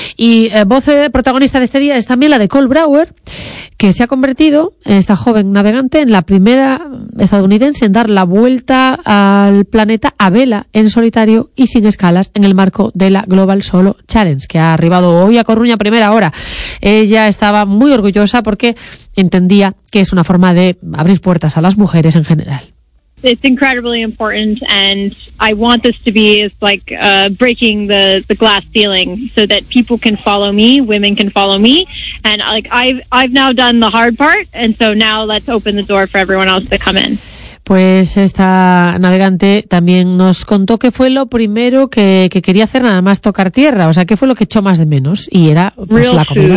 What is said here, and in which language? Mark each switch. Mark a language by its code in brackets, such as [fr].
[es] Y voz protagonista de este día es también la de Cole Brouwer, que se ha convertido, esta joven navegante, en la primera estadounidense en dar la vuelta al planeta a vela, en solitario y sin escalas, en el marco de la Global Solo Challenge, que ha arribado hoy a Coruña a primera hora. Ella estaba muy orgullosa porque entendía que es una forma de abrir puertas a las mujeres en general. [en] It's incredibly important and I want this to be as like breaking the glass ceiling so that people can follow me, women can follow me, and like I've now done the hard part and so now let's open the door for everyone else to come in. [es] Pues esta navegante también nos contó que fue lo primero que quería hacer nada más tocar tierra, o sea, que fue lo que echó más de menos y era pues, la comida.